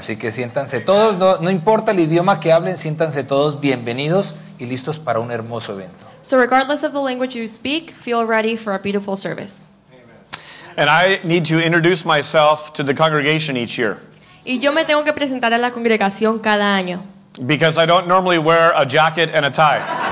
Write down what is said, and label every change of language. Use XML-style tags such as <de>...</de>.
<es>Así que siéntanse todos, no importa el idioma que hablen, siéntanse todos bienvenidos y listos para un hermoso evento.</es> <en>So regardless of the language you speak, feel ready for a beautiful service. And I need to introduce myself to the congregation each year.</en> <es>Y yo me tengo que presentar a la congregación cada año.</es> <en>Because I don't normally wear a jacket and a tie.</en>